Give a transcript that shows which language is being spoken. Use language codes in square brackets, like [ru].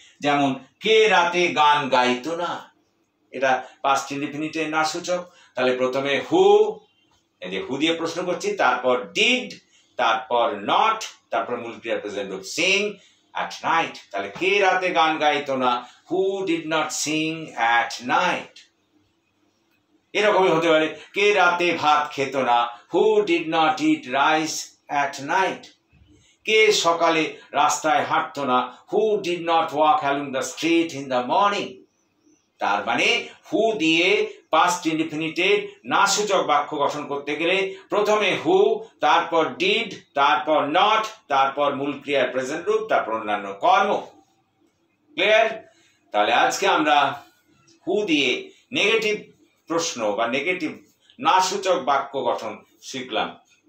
[bn] যেমন কে রাতে গান গাইত না, এটা পাস্ট ইনডিফিনিটে না সূচক, তাহলে প্রথমে হু, এই যে হু দিয়ে প্রশ্ন করছি, তারপর ডিড, তারপর নট, তারপর মূল ক্রিয়ার প্রেজেন্ট রূপ সিং at night, তাহলে কে রাতে গান গাইতো না, [en] who did not sing at night, [bn] এরকমই হতে পারে। কে রাতে ভাত খেত না, [en] who did not eat rice at night, [bn] কে সকালে রাস্তায় হাঁটতো না, [en] who did not walk along the street in the morning। [bn] তার মানে হু দিয়ে পাস্ট ইনডিফিনিটের না সূচক বাক্য গঠন করতে গেলে প্রথমে হু, তারপর ডিড, তারপর নট, তারপর মূল ক্রিয়ার প্রেজেন্ট রূপ, তারপর অন্যান্য কর্ম। ক্লিয়ার? তাহলে আজকে আমরা হু দিয়ে নেগেটিভ প্রশ্ন বা নেগেটিভ না সূচক বাক্য গঠন শিখলাম।